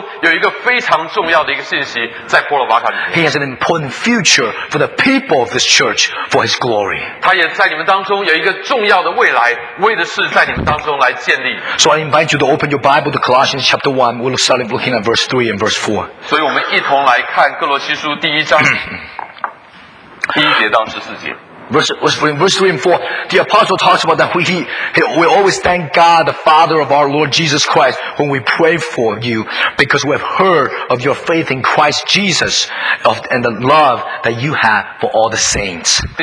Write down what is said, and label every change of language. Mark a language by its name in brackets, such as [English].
[Chinese] 同样的，我们相信上帝也在你们当中有一个非常重要的一个信息，在Port of Akron里面。 [English] He has an important future for the people of this church for His glory. [Chinese] 他也在你们当中有一个重要的未来，为的是在你们当中来建立。 [English] So I invite you to open your Bible to Colossians chapter 1. We'll start looking at verse 3 and verse 4. [Chinese] 所以我们一同来看哥罗西书第一章，第一节到十四节。 [English] Verse 3 and 4, the apostle talks about that we always thank God, the Father of our Lord Jesus Christ, when we pray for you, because we have heard of your faith in Christ Jesus and the love that you have for all the saints.